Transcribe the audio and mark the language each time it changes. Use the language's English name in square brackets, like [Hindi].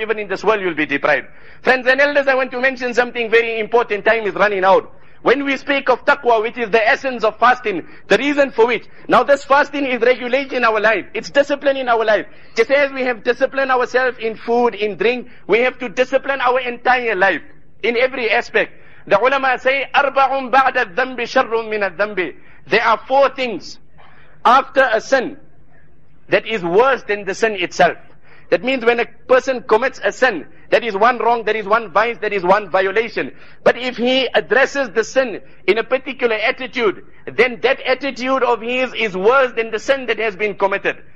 [English] Even in this world, you will be deprived. Friends and elders, I want to mention something very important. Time is running out. When we speak of taqwa, which is the essence of fasting, the reason for which, now this fasting is regulated in our life, it's discipline in our life. Just as we have disciplined ourselves in food, in drink, we have to discipline our entire life in every aspect. The ulama say, [Arabic] أَرْبَعٌ بَعْدَ الذَّنْبِ شَرٌ مِنَ الذَّنْبِ. [English] There are four things after a sin that is worse than the sin itself. That means when a person commits a sin, that is one wrong, that is one vice, that is one violation. But if he addresses the sin in a particular attitude, then that attitude of his is worse than the sin that has been committed.